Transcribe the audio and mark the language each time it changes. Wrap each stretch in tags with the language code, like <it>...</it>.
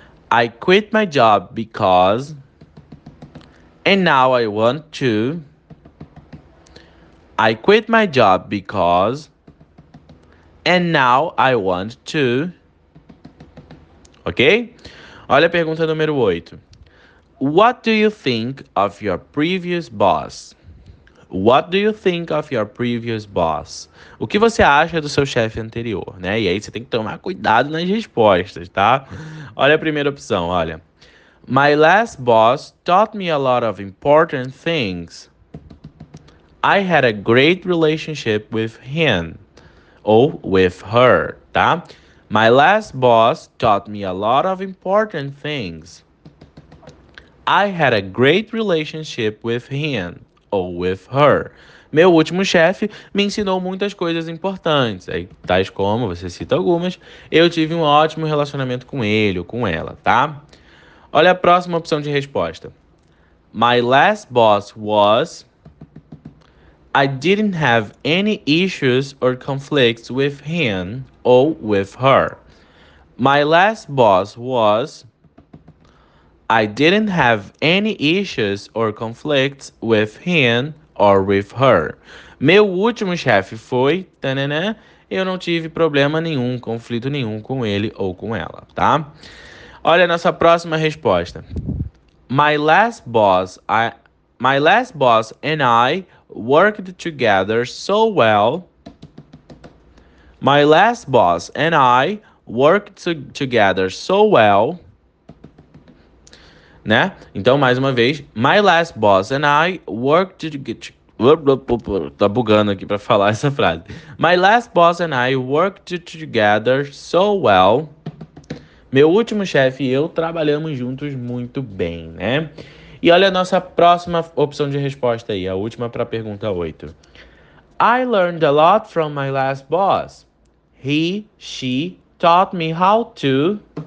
<en>I quit my job because and now I want to I quit my job because and now I want to Ok?</en> <pt>Olha a pergunta número 8.</pt> <en>What do you think of your previous boss? What do you think of your previous boss?</en> <pt>O que você acha do seu chefe anterior, né? E aí você tem que tomar cuidado nas respostas, tá? Olha a primeira opção, olha.</pt> <en>My last boss taught me a lot of important things. I had a great relationship with him or with her,</en> <pt>tá?</pt> <en>My last boss taught me a lot of important things. I had a great relationship with him or with her.</en> <pt>Meu último chefe me ensinou muitas coisas importantes. Aí, tais como, você cita algumas, eu tive um ótimo relacionamento com ele ou com ela, tá? Olha a próxima opção de resposta.</pt> <en>My last boss was... I didn't have any issues or conflicts with him or with her. My last boss was... I didn't have any issues or conflicts with him or with her.</en> <pt>Meu último chefe foi, tanana, eu não tive problema nenhum, conflito nenhum com ele ou com ela, tá? Olha a nossa próxima resposta.</pt> <en>My last boss and I worked together so well. My last boss and I worked together so well.</en> <pt>Né? Então, mais uma vez,</pt> <en>my last boss and I worked together...</en> <pt>Tá bugando aqui pra falar essa frase.</pt> <en>My last boss and I worked together so well.</en> <pt>Meu último chefe e eu trabalhamos juntos muito bem, né? E olha a nossa próxima opção de resposta aí, a última pra pergunta 8.</pt> <en>I learned a lot from my last boss. She taught me how to...</en>